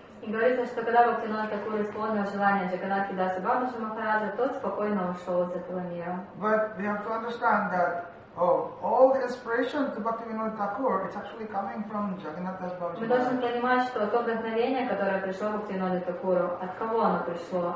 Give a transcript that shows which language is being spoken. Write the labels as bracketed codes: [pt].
[ru] И говорится, что когда Бхактивинода Такур исполнил желание Джаганнатхи Даса Бабаджи Махараджа, тот спокойно ушел из этого мира. [en] But we have to understand that, all the inspiration to Bhaktivinoda Thakur, it's actually coming from Jagannath Das Babaji. [ru] Мы должны понимать, что то вдохновение, которое пришло Бхактивинода Такуру, от кого оно пришло?